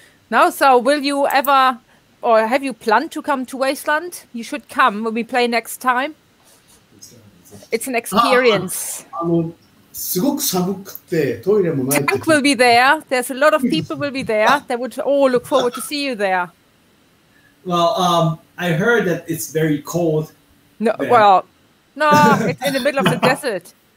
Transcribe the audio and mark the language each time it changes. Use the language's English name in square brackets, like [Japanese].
[English] No, so will you ever, or have you planned to come to Wasteland? You should come when we play next time. It's an experience. [Japanese] すごく寒くてトイレもない。 [English] Tank will be there. There's a lot of people will be there. They would all look forward to see you there. Well, I heard that it's very cold. No, well, no, it's in the middle of the desert.